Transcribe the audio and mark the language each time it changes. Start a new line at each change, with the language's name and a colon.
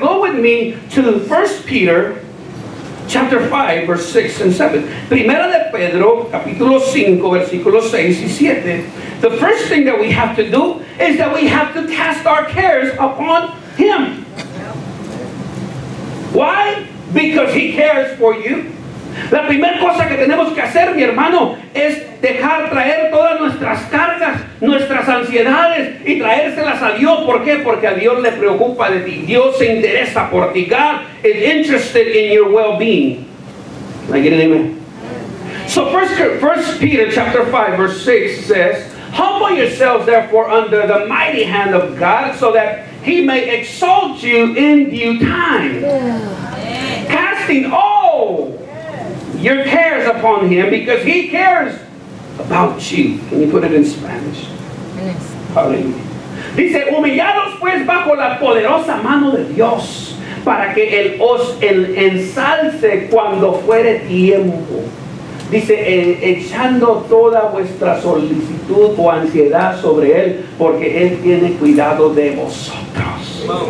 English: Go with me to 1 Peter chapter 5, verse 6 and 7.
Spanish: Primera de Pedro, capítulo 5, versículos 6 y 7.
English: The first thing that we have to do is that we have to cast our cares upon Him. Why? Because He cares for you.
Spanish: La primera cosa que tenemos que hacer, mi hermano, es dejar traer todas nuestras cargas, nuestras ansiedades y traérselas a Dios. ¿Por qué? Porque a Dios le preocupa de ti. Dios se interesa por ti.
English: God is interested in your well-being. Can I get an amen? So 1 Peter chapter 5 verse 6 says, humble yourselves therefore under the mighty hand of God so that He may exalt you in due time. Yeah. Casting all your cares upon Him because He cares about you. Can you put it in Spanish? Hallelujah.
Spanish: Dice, humillados pues bajo la poderosa mano de Dios para que Él os ensalce cuando fuere tiempo. Dice, echando toda vuestra solicitud o ansiedad sobre Él, porque Él tiene cuidado de vosotros.